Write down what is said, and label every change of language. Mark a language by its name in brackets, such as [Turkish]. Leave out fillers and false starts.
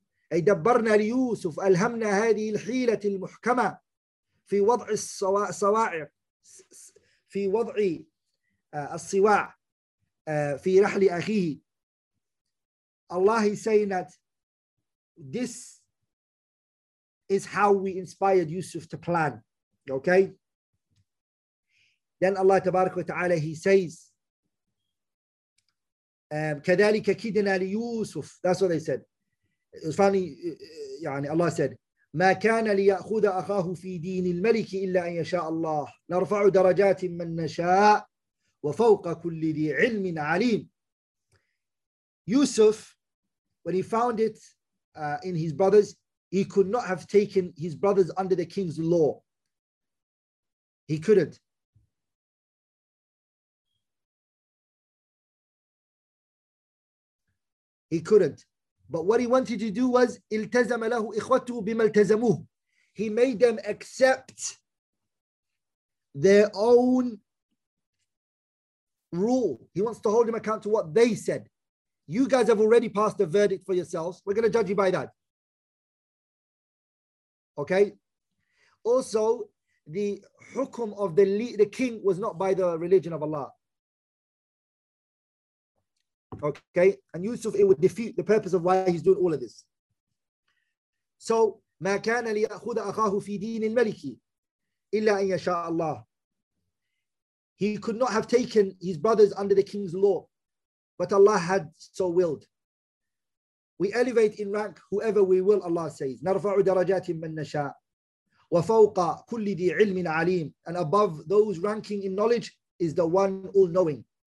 [Arabic] أي دبرنا ليوسف ألهمنا هذه الحيلة المحكمة في وضع الصواعق في وضع الصواع في رحل أخيه. [English] Allah is saying that this is how we inspired Yusuf to plan. Okay. Then Allah تبارك وتعالى he says [Arabic] كذلك كيدنا ليوسف. [English] That's what they said. It was funny, [Arabic] يعني [English] Allah said, [Arabic] ما كان ليأخذ أخاه في دين الملك إلا أن يشاء الله نرفع درجات من نشاء وفوق كل ذي علم عليم. [English] Yusuf, when he found it in his brothers, he could not have taken his brothers under the king's law. He couldn't. He couldn't. But what he wanted to do was [Arabic] التزم له إخوته بما التزموه. [English] He made them accept their own rule. He wants to hold them account to what they said. You guys have already passed the verdict for yourselves. We're going to judge you by that. Okay? Also, the hukum of the king was not by the religion of Allah. Okay, and Yusuf, it would defeat the purpose of why he's doing all of this. [Arabic] So, ما كان ليأخذ أخاه في دين الملك إلا أن يشاء الله. [English] He could not have taken his brothers under the king's law, but Allah had so willed. We elevate in rank whoever we will, Allah says. [Arabic] نرفع درجات من نشاء وفوق كل ذي علم عليم. [English] And above those ranking in knowledge is the one all-knowing.